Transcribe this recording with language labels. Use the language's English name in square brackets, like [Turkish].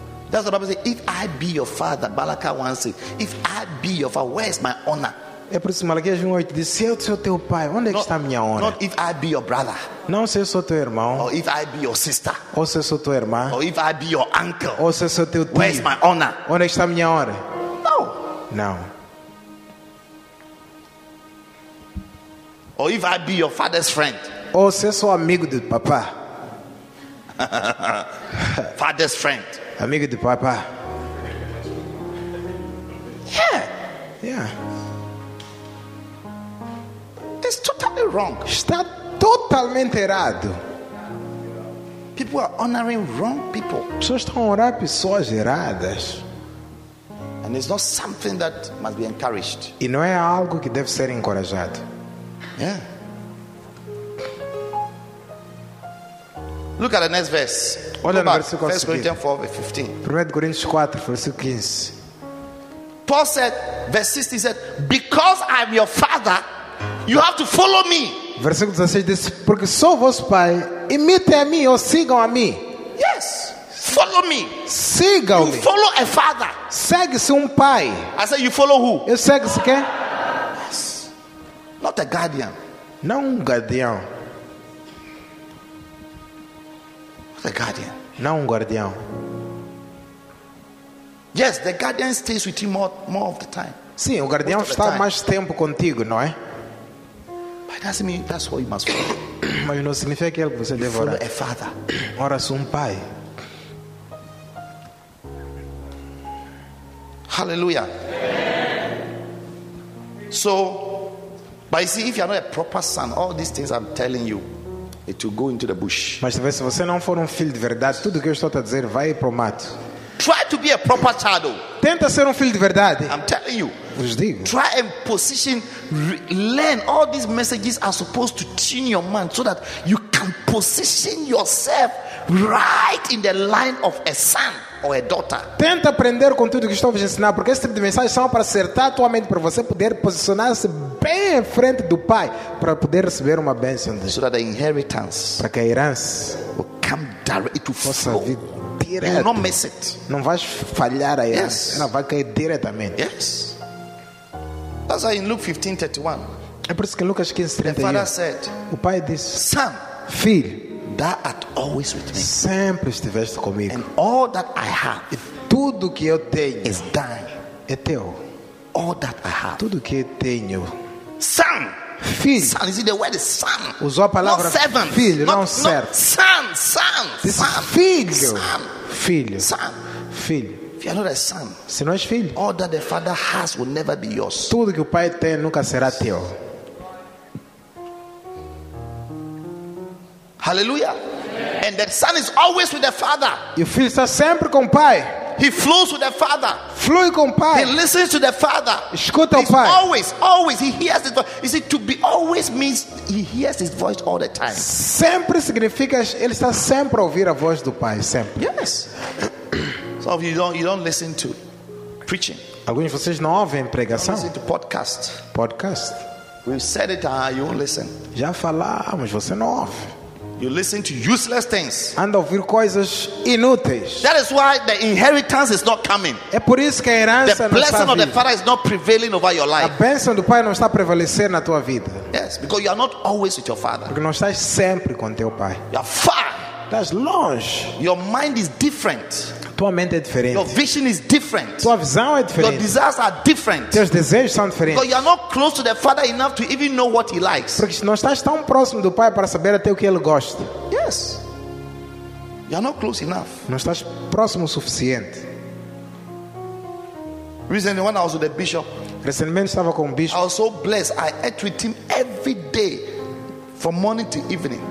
[English] That's what I say, if I be your father, Malachi 1:6, if I be your father, where is my honor? [Portuguese] É por isso que Malaquias 1:8 diz, se eu sou teu pai, onde é que está a minha honra? [English] Not if I be your brother. [Portuguese] Não se eu sou teu irmão. [English] Or if I be your sister. [Portuguese] Ou se eu sou tua irmã. [English] Or if I be your uncle. [Portuguese] Ou se eu sou teu tio. [English] Where is my honor? [Portuguese] Onde é que está a minha honra? [English] No. [Portuguese] Não. [English] Or if I be your father's friend. [Portuguese] Ou se eu sou amigo do papá. [English] Father's friend. [Portuguese] Amigo do papá. [English] Yeah. Yeah. It's totally wrong. [Portuguese] Está totalmente errado. [English] People are honoring wrong people. [Portuguese] Pessoas estão a honrar pessoas erradas. [English] And it's not something that must be encouraged. [Portuguese] E não é algo que deve ser encorajado. [English] Yeah. Look at the next verse. [Portuguese] Olha no versículo 1 Coríntios 4:15. 1 Coríntios 4, versículo 15. [English] Paul said, verse 16 said, because I'm your father, you have to follow me. [Portuguese] Versículo 16 diz, porque sou vosso pai, imitem a mim ou sigam a mim. [English] Yes, follow me. [Portuguese] Sigam-me. [English] You follow a father. [Portuguese] Segue-se um pai. [English] I say you follow who? [Portuguese] Eu segue-se quem? [English] Yes. Not a guardian. [Portuguese] Não um guardião. [English] Not a guardian. [Portuguese] Não um guardião. [English] Yes, the guardian stays with you more of the time. [Portuguese] Sim, o guardião está mais tempo contigo, não é? [English] That's what you must follow. [Portuguese] Mas não significa que é o que você deve orar. [English] Follow a father. [Portuguese] Ora-se um pai. [English] Hallelujah. So, but you see, if you are not a proper son, all these things I'm telling you, it will go into the bush. [Portuguese] Mas se você não for filho de verdade, tudo que eu estou a dizer vai para o mato. [English] Try to be a proper child. [Portuguese] Tenta ser filho de verdade. [English] I'm telling you. [Portuguese] Vos digo. [English] Try and position, learn all these messages are supposed to tune your mind so that you can position yourself right in the line of a son. or a daughter. [Portuguese] Tenta aprender com tudo que estou a vos ensinar, porque esse tipo de mensagens são para acertar a tua mente, para você poder posicionar-se bem em frente do Pai, para poder receber uma bênção dele. [English] So that the inheritance, [Portuguese] para que a herança [English] will come direct, it will [Portuguese] possa [English] flow. [Portuguese] Vir direto. [English] You will not miss it. [Portuguese] Não vais falhar a [English] yes. [Portuguese] Ela vai cair diretamente. [English] Yes. That's why in Luke 15:31. [Portuguese] É por isso que em Lucas 15:31. [English] The father said, [Portuguese] o Pai disse, [English] son, [Portuguese] filho, [English] thou art always with me. [Portuguese] Sempre estiveste comigo. [English] And all that I have, [Portuguese] e tudo que eu tenho, [English] is thine. [Portuguese] É teu. [English] All that I have, [Portuguese] tudo que eu tenho. [English] Son, [Portuguese] filho. [English] Son, is it the word son? [Portuguese] Usou a palavra [English] not servant, [Portuguese] filho, [English] not, [Portuguese] não servo. [English] Son, son, this son, [Portuguese] filho. [English] Son, [Portuguese] filho. [English] Son, [Portuguese] filho. [English] If you are not a son, [Portuguese] se não és filho, [English] all that the father has will never be yours. [Portuguese] Tudo que o pai tem nunca será teu. [English] Hallelujah. And the son is always with the father. [Portuguese] E o filho está sempre com o pai. [English] He flows with the father. [Portuguese] Flui com o pai. [English] He listens to the father. [Portuguese] Escuta o pai. [English] Always, always he hears his voice. You see, to be always means he hears his voice all the time. [Portuguese] Sempre significa ele está sempre a ouvir a voz do pai, sempre. [English] Yes. Some of you don't listen to preaching. [Portuguese] Alguns de vocês não ouvem pregação. [English] You don't listen to podcasts. [Portuguese] Podcast. [English] We've said it, you won't listen. [Portuguese] Já falamos, você não ouve. [English] You listen to useless things. [Portuguese] Anda a ouvir coisas inúteis. [English] That is why the inheritance is not coming. [Portuguese] É por isso que a herança [English] the blessing of the father is not prevailing over your life. [Portuguese] A bênção do pai não está a prevalecer na tua vida. [English] Yes, because you are not always with your father. [Portuguese] Porque não estás sempre com teu pai. [English] You are far. [Portuguese] Estás longe. [English] Your mind is different. [Portuguese] Tua mente é diferente. [English] Your vision is different. [Portuguese] Tua visão é diferente. [English] Your desires are different. [Portuguese] Teus desejos são diferentes. [English] Because you are not close to the father enough to even know what he likes. [Portuguese] Porque não estás tão próximo do pai para saber até o que ele gosta. [English] Yes. You are not close enough. [Portuguese] Não estás próximo o suficiente. [English] Recently, when I was with the bishop, [Portuguese] recentemente estava com o bispo. [English] I was so blessed. I ate with him every day from morning to evening.